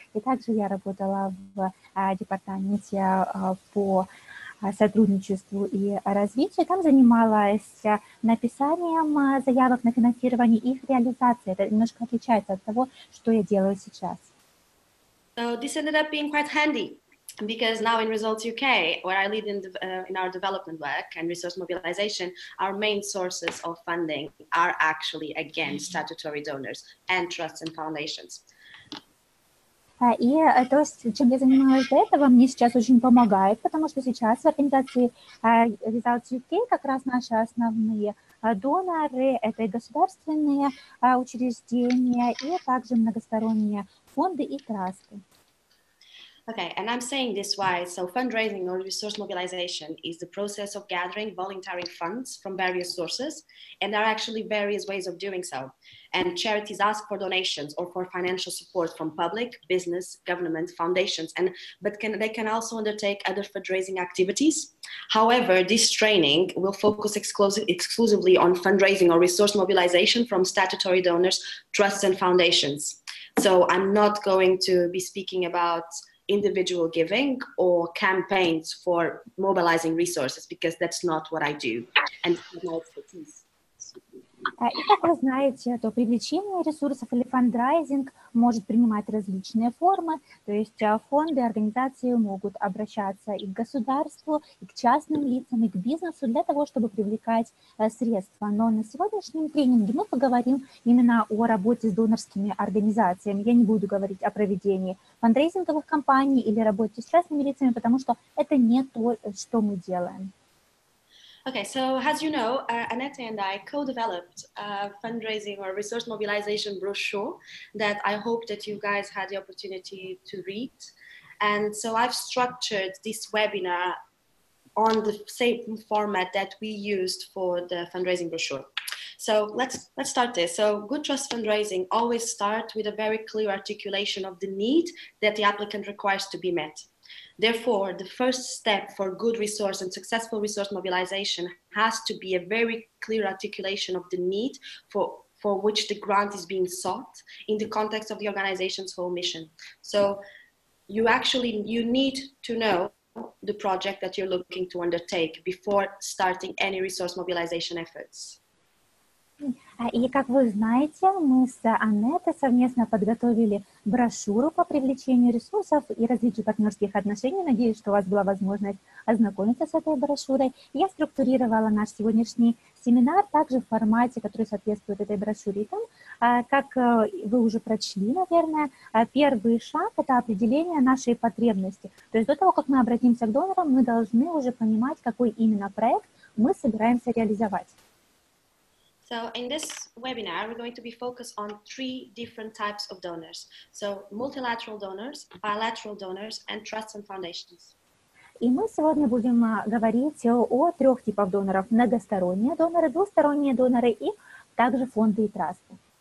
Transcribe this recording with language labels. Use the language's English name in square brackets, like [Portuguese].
[Russian] И также я работала в департаменте по сотрудничеству и развитию. Там занималась написанием заявок на финансирование и их реализацией. Это немножко отличается от того, что я делаю сейчас. [English] So this ended up being quite handy. Because now in Results UK, where I lead in our development work and resource mobilization, our main sources of funding are actually, again, statutory donors and trusts and foundations. [Russian] И то, чем я занималась до этого, мне сейчас очень помогает, потому что сейчас в организации Results UK как раз наши основные доноры – это государственные учреждения и также многосторонние фонды и трасты. [English] Okay, and I'm saying this why. So fundraising or resource mobilization is the process of gathering voluntary funds from various sources, and there are actually various ways of doing so. And charities ask for donations or for financial support from public, business, government, foundations, and but they can also undertake other fundraising activities. However, this training will focus exclusively on fundraising or resource mobilization from statutory donors, trusts, and foundations. So I'm not going to be speaking about individual giving or campaigns for mobilizing resources, because that's not what I do and my expertise. [Russian] И как вы знаете, то привлечение ресурсов или фандрайзинг может принимать различные формы, то есть фонды, организации могут обращаться и к государству, и к частным лицам, и к бизнесу для того, чтобы привлекать средства. Но на сегодняшнем тренинге мы поговорим именно о работе с донорскими организациями. Я не буду говорить о проведении фандрайзинговых кампаний или работе с частными лицами, потому что это не то, что мы делаем. [English] Okay, so as you know, Annette and I co-developed a fundraising or resource mobilization brochure that I hope that you guys had the opportunity to read. And so I've structured this webinar on the same format that we used for the fundraising brochure. So let's start this. So good trust fundraising always starts with a very clear articulation of the need that the applicant requires to be met. Therefore, the first step for good resource and successful resource mobilization has to be a very clear articulation of the need for which the grant is being sought in the context of the organization's whole mission. So you need to know the project that you're looking to undertake before starting any resource mobilization efforts. [Russian] И как вы знаете, мы с Аннетой совместно подготовили брошюру по привлечению ресурсов и развитию партнерских отношений. Надеюсь, что у вас была возможность ознакомиться с этой брошюрой. Я структурировала наш сегодняшний семинар также в формате, который соответствует этой брошюре. Там, как вы уже прочли, наверное, первый шаг – это определение нашей потребности. То есть до того, как мы обратимся к донорам, мы должны уже понимать, какой именно проект мы собираемся реализовать. [English] So in this webinar, we're going to be focused on three different types of donors. So multilateral donors, bilateral donors, and trusts and foundations. [Russian] И мы сегодня будем говорить о трех типах доноров. Многосторонние доноры, двусторонние доноры и также фонды и трасты.